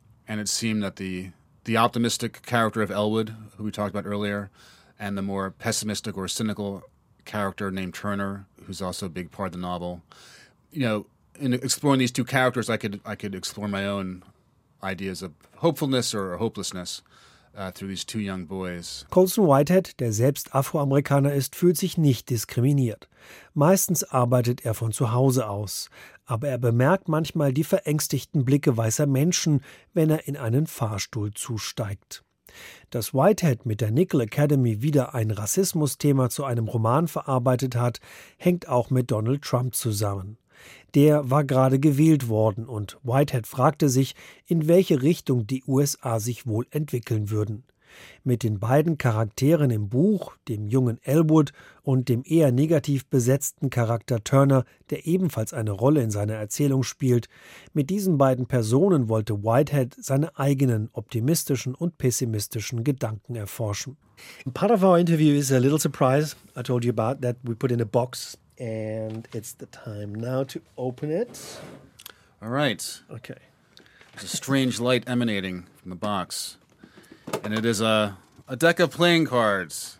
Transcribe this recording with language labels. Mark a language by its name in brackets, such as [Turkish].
[English] And it seemed that the optimistic character of Elwood, who we talked about earlier, and the more pessimistic or cynical character named Turner, who's also a big part of the novel. You know, in exploring these two characters, I could explore my own ideas of hopefulness or hopelessness through these two young boys. [German] Colson Whitehead, der selbst Afroamerikaner ist, fühlt sich nicht diskriminiert. Meistens arbeitet er von zu Hause aus. Aber er bemerkt manchmal die verängstigten Blicke weißer Menschen, wenn er in einen Fahrstuhl zusteigt. Dass Whitehead mit der Nickel Academy wieder ein Rassismusthema zu einem Roman verarbeitet hat, hängt auch mit Donald Trump zusammen. Der war gerade gewählt worden und Whitehead fragte sich, in welche Richtung die USA sich wohl entwickeln würden. Mit den beiden Charakteren im Buch, dem jungen Elwood und dem eher negativ besetzten Charakter Turner, der ebenfalls eine Rolle in seiner Erzählung spielt, mit diesen beiden Personen wollte Whitehead seine eigenen optimistischen und pessimistischen Gedanken erforschen. [English] Part of our interview is a little surprise I told you about that we put in a box and it's the time now to open it. All right. Okay. There's a strange light emanating from the box. And it is a deck of playing cards.